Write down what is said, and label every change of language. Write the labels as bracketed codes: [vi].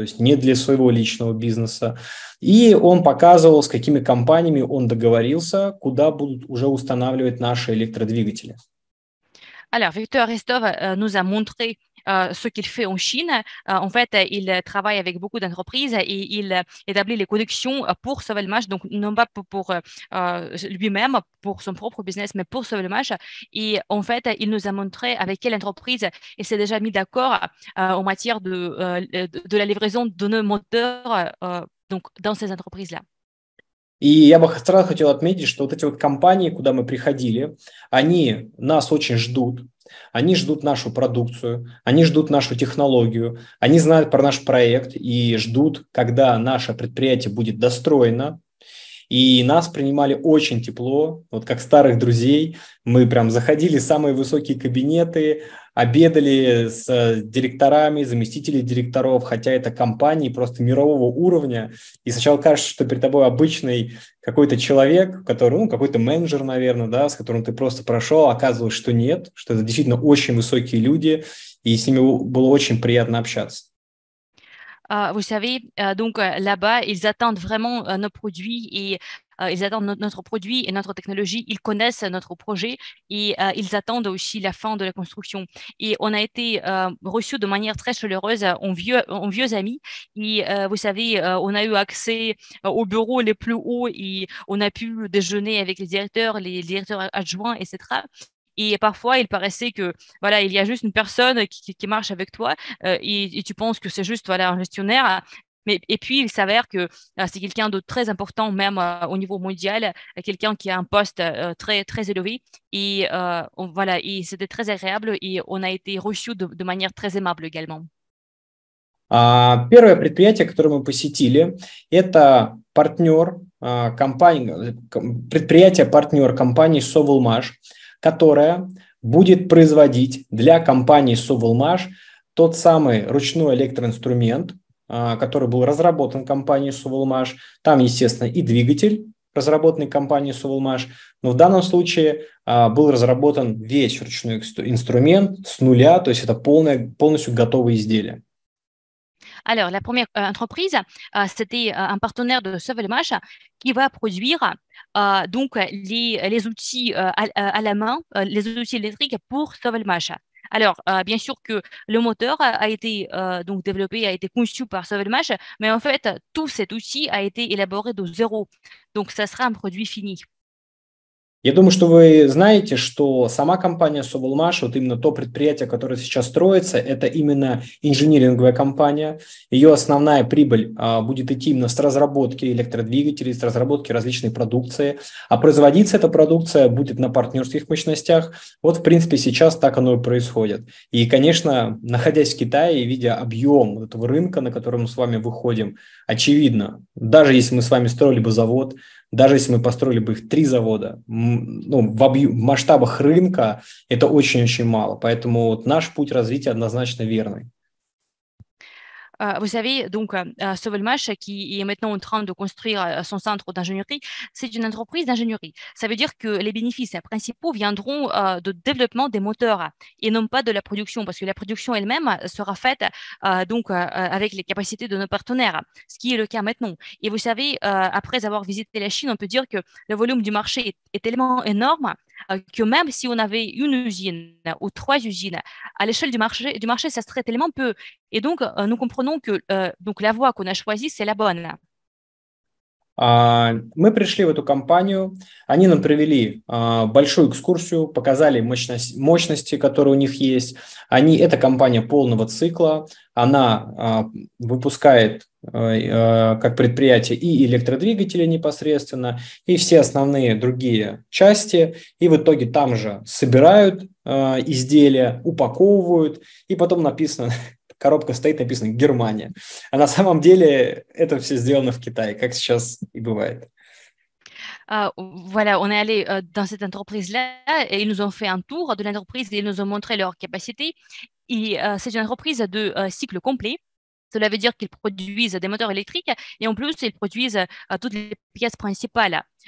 [ru] то есть не для своего личного бизнеса. И он показывал, с какими компаниями он договорился, куда будут уже устанавливать наши электродвигатели. [fr] Alors, Victor Restov nous a montré ce qu'il fait en Chine. En fait, il travaille avec beaucoup d'entreprises et il établit les connexions pour Sauver le Match, donc non pas pour lui-même, pour son propre business, mais pour Sauver le Match. Et en fait, il nous a montré avec quelle entreprise il s'est déjà mis d'accord en matière de la livraison de nos moteurs donc dans ces entreprises-là. [ru] И я бы сразу хотел отметить, что вот эти вот компании, куда мы приходили, они нас очень ждут. Они ждут нашу продукцию, они ждут нашу технологию, они знают про наш проект и ждут, когда наше предприятие будет достроено. И нас принимали очень тепло, вот как старых друзей. Мы прям заходили в самые высокие кабинеты, обедали с директорами, заместителями директоров, хотя это компании просто мирового уровня. И сначала кажется, что перед тобой обычный какой-то человек, который, ну, какой-то менеджер, наверное, да, с которым ты просто прошел, оказывалось, что нет, что это действительно очень высокие люди, и с ними было очень приятно общаться. [fr] Vous savez, donc là-bas, ils attendent vraiment nos produits et ils attendent notre produit et notre technologie. Ils connaissent notre projet et ils attendent aussi la fin de la construction. Et on a été reçus de manière très chaleureuse en vieux amis. Et vous savez, on a eu accès aux bureaux les plus hauts et on a pu déjeuner avec les directeurs adjoints, etc. Et parfois, il paraissait que voilà, il y a juste une personne qui marche avec toi et tu penses que c'est juste voilà, un gestionnaire. Mais, et puis, il s'avère que c'est quelqu'un de très important, même au niveau mondial, quelqu'un qui a un poste très, très élevé. Et voilà, et c'était très agréable et on a été reçus de manière très aimable également. [ru] Первое предприятие, которое мы посетили, это партнер, предприятие-партнер компании «Sovelmash», которая будет производить для компании Sovelmash тот самый ручной электроинструмент, который был разработан компанией Sovelmash. Там, естественно, и двигатель, разработанный компанией Sovelmash. Но в данном случае был разработан весь ручной инструмент с нуля, то есть это полностью готовые изделия. [fr] Alors, la première entreprise, c'était un partenaire de Sovelmash qui va produire donc les outils à la main, les outils électriques pour Sovelmash. Alors, bien sûr que le moteur a été donc développé, a été conçu par Sovelmash, mais en fait, tout cet outil a été élaboré de zéro. Donc, ça sera un produit fini. [ru] Я думаю, что вы знаете, что сама компания Sovelmash, вот именно то предприятие, которое сейчас строится, это именно инжиниринговая компания. Ее основная прибыль будет идти именно с разработки электродвигателей, с разработки различной продукции. А производиться эта продукция будет на партнерских мощностях. Вот, в принципе, сейчас так оно и происходит. И, конечно, находясь в Китае и видя объем этого рынка, на который мы с вами выходим, очевидно, даже если мы с вами строили бы завод, даже если мы построили бы их три завода, ну, в масштабах рынка это очень-очень мало. Поэтому вот наш путь развития однозначно верный. [fr] Vous savez, donc, Sovelmash, qui est maintenant en train de construire son centre d'ingénierie, c'est une entreprise d'ingénierie. Ça veut dire que les bénéfices principaux viendront du développement des moteurs et non pas de la production, parce que la production elle-même sera faite donc, avec les capacités de nos partenaires, ce qui est le cas maintenant. Et vous savez, après avoir visité la Chine, on peut dire que le volume du marché est tellement énorme que même si on avait une usine ou trois usines, à l'échelle du marché, ça serait tellement peu. Et donc, nous comprenons que donc la voie qu'on a choisie, c'est la bonne. [ru] Мы пришли в эту компанию, они нам провели большую экскурсию, показали мощности, которые у них есть. Они, это компания полного цикла, она выпускает как предприятие и электродвигатели непосредственно, и все основные другие части, и в итоге там же собирают изделия, упаковывают, и потом написано... Коробка стоит, написано «Германия». А на самом деле это все сделано в Китае, как сейчас и бывает. [fr] Voilà, on est allé dans cette entreprise-là et ils nous ont fait un tour de l'entreprise et ils nous ont montré leurs capacités. Et c'est une entreprise de cycle complet. Cela veut dire qu'ils produisent des moteurs électriques et en plus, ils produisent toutes les pièces principales.